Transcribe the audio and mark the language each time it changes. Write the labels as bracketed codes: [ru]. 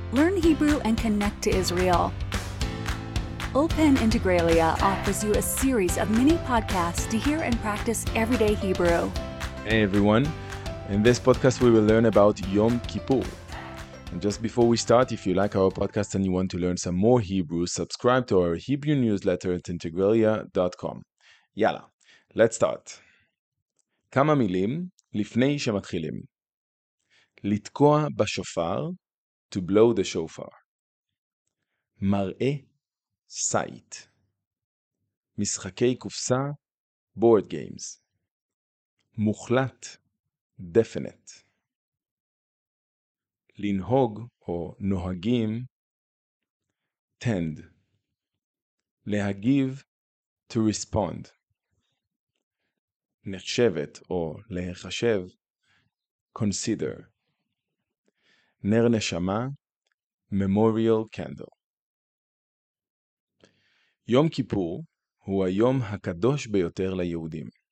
[en] Learn Hebrew and connect to Israel. Ulpan Integraliah offers you a series of mini podcasts to hear and practice everyday Hebrew. Hey everyone, in this podcast we will learn about Yom Kippur. And just before we start, if you like our podcast and you want to learn some more Hebrew, subscribe to our Hebrew newsletter at integralia.com. Yala, let's start. [he] כמה מילים לפני שמתחילים. לתקוע בשופר, [en] to blow the shofar. [he] מראה, [en] sight. [he] משחקי קופסה, [en] board games. [he] מוחלט, [en] definite. [he] לנהוג או נוהגים, [en] tend. [he] להגיב, [en] to respond. [he] נחשבת או להיחשב, [en] consider. [he] נר נשמה, [en] memorial candle. [he] יום כיפור הוא היום הקדוש ביותר ליהודים.